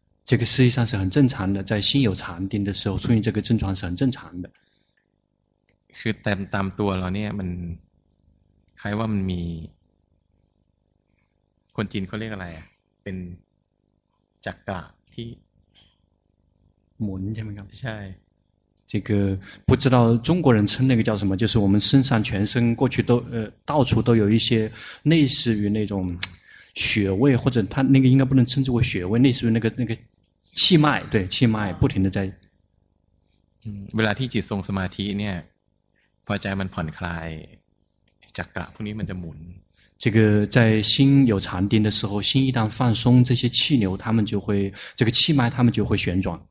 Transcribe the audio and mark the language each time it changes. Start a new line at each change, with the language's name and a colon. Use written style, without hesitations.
Chinese: 这个事实上是很正常的在心有禅定的时候出现这个症状是很正常的
Thai: คือตามตัวเราเนี่ยมันคล้ายว่ามันมีคนจีนเขาเรียกอะไรอ่ะเป็นจักกะ ที่ หมุนใช่ไหมครับ ใช่
Chinese: 这个不知道中国人称那个叫什么，就是我们身上全身过去都到处都有一些类似于那种穴位，或者他那个应该不能称之为穴位，类似于那个气脉，对，气脉不停的在。
Thai: เวลาที่จิตทรงสมาธิเนี่ยพอใจมันผ่อนคลายจักระพวกนี้มันจะหมุน
Chinese: 这个在心有禅定的时候，心一旦放松，这些气流他们就会，这个气脉他们就会旋转。